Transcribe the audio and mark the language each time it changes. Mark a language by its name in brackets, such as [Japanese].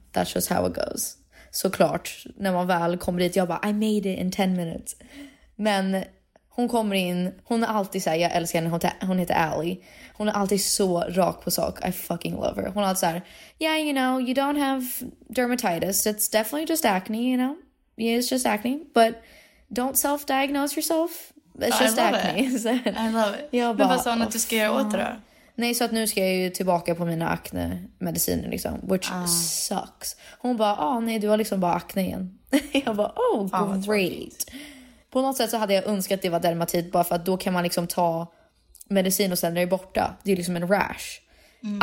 [English] That's just how it goes. [Swedish] Såklart, när man väl kommer dit, jag bara, [English] I made it in 10 minutes. [Swedish] Men hon kommer in, hon är alltid så här, jag älskar henne, hon heter Allie. Hon är alltid så rak på sak, [English] I fucking love her. [Swedish] Hon är alltid så här, [English] yeah, you know, you don't have dermatitis. It's definitely just acne, you know. Yeah, it's just acne, but don't self-diagnose yourself. It's just acne. I love it. [Swedish] Jag bara, men vad sa hon att du ska göra åt det då? Nej, så att nu ska jag ju tillbaka på mina acne-mediciner liksom, [English] which sucks. [Swedish] Hon bara, ah nej, du har liksom bara acne igen. Jag bara, oh fan, great. På något sätt så hade jag önskat att det var dermatit, bara för att då kan man liksom ta medicin och sen är det borta. Det är liksom en rash. Mm.